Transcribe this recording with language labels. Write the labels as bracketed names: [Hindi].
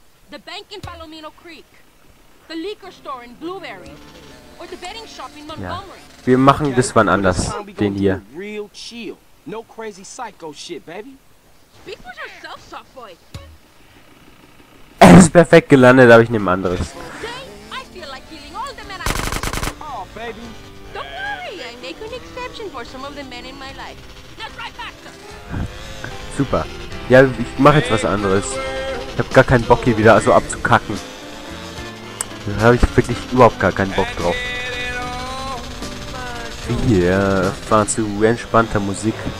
[English] The bank in Palomino Creek, the liquor store in Blueberry, or the betting shop in Montgomery. [German] Ja, wir machen das wann anders, den hier. [English] Real chill, no crazy psycho shit, baby. Speak for yourself, soft boy. [German] Es ist perfekt gelandet, aber ich nehme anderes. [English] Today, I feel like killing all the men I Oh, baby. Don't worry, I make an exception for some of the men in my life. That's right, Baxter. [German] Super. Ja, ich mache jetzt was anderes. Ich hab gar keinen Bock hier wieder so abzukacken. Da habe ich wirklich überhaupt gar keinen Bock drauf. Wir fahren zu entspannter Musik.